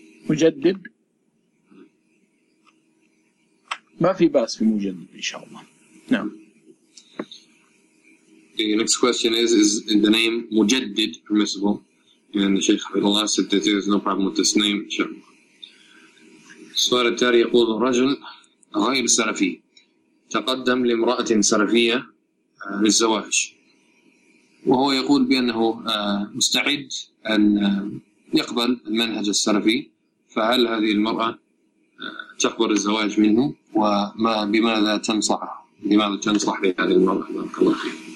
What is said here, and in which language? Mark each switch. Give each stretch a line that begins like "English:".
Arabic: مجدد ما في بأس في مجدد إن شاء الله. نعم.
English: The next question is the name Mujaddid permissible? And the Shaykh Abdullah said that there is no problem with this name.
Arabic: سؤال التالي يقول رجل غير سلفي تقدم لامرأة سلفية للزواج وهو يقول بأنه مستعد أن يقبل المنهج السلفي فهل هذه المرأة تقبل الزواج منه وما بماذا تنصح لهذه المرأة؟ بارك الله فيك.